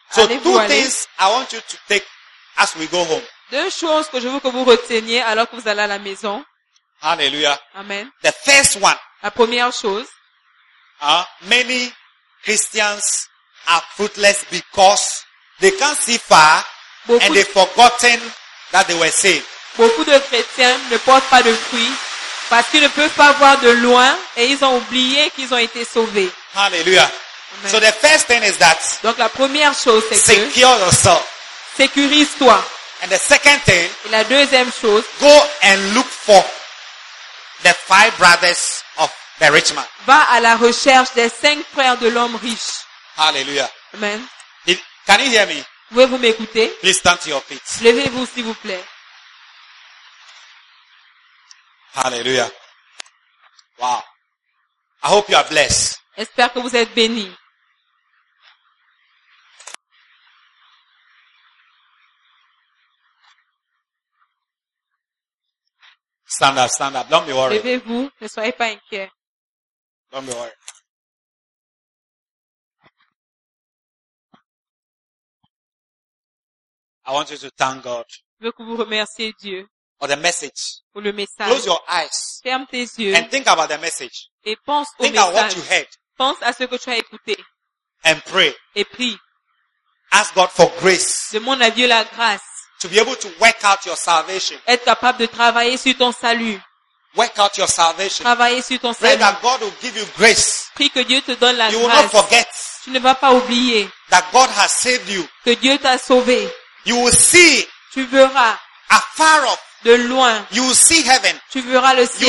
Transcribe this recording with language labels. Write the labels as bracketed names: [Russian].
[English] So two things I want you to take as we go home. [French] Deux choses que je veux que vous reteniez alors que vous allez à la maison. Hallelujah. Amen. [English] The first one. [French] La première chose. [English] Many Christians are fruitless because they can't see far and they've forgotten that they were saved. [French] Beaucoup de chrétiens ne portent pas de fruits. Parce qu'ils ne peuvent pas voir de loin et ils ont oublié qu'ils ont été sauvés. Hallelujah. [English] So the first thing is that. [French] Donc la première chose c'est [English] secure [French] que. [English] Yourself. [French] Sécurise-toi. [English] And the second thing. [French] Et la deuxième chose. [English] Go and look for the five brothers of the rich man. [French] Va à la recherche des cinq frères de l'homme riche. Hallelujah. Amen. [English] Can you hear me? [French] Pouvez-vous m'écouter? [English] Please stand to your feet. [French] Levez-vous s'il vous plaît. [English] Hallelujah. Wow. I hope you are blessed. [French] J'espère que vous êtes béni. [English] Stand up, stand up. Don't be worried. [French] Levez-vous, ne soyez pas inquiet. [English] Don't be worried. I want you to thank God. [French] Je veux que vous remerciez Dieu. [English] Or the message. [French] Pour le message. [English] Close your eyes. [French] Ferme tes yeux. [English] And think about the message. [French] Et pense [English] think [French] au message. [English] About what you heard. [French] Pense à ce que tu as écouté. [English] And pray. [French] Et prie. [English] Ask God for grace. [French] Demande à Dieu la grâce. [English] To be able to work out your salvation. [French] Être capable de travailler sur ton salut. [English] Work out your salvation. [French] Travailler sur ton [English] pray [French] salut. [English] Pray that God will give you grace. [French] Prie que Dieu te donne la [English] you [French] grâce. [English] You will not forget. [French] Tu ne vas pas oublier. [English] That God has saved you. [French] Que Dieu t'a sauvé. [English] You will see. [French] Tu verras. [English] Afar off. [French] De loin. [English] You will see heaven. [French] Tu verras le ciel.